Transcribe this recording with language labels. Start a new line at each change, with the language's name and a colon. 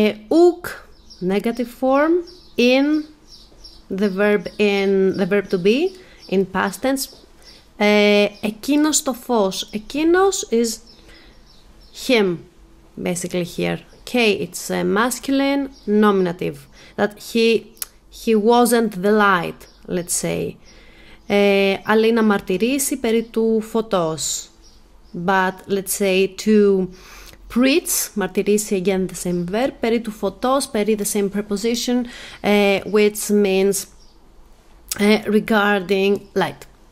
English: Uk, negative form. In, the verb in, the verb to be, in past tense.
Greek: Εκείνος το φως.
English: Εκείνος is him, basically here. Okay, it's a masculine nominative. That he wasn't the light, let's say.
Greek: Αλλή να μαρτυρήσει περί του φωτός.
English: But let's say to preach, μαρτυρήσει again the same verb,
Greek: περί του φωτός,
English: περί the same preposition, which means regarding light.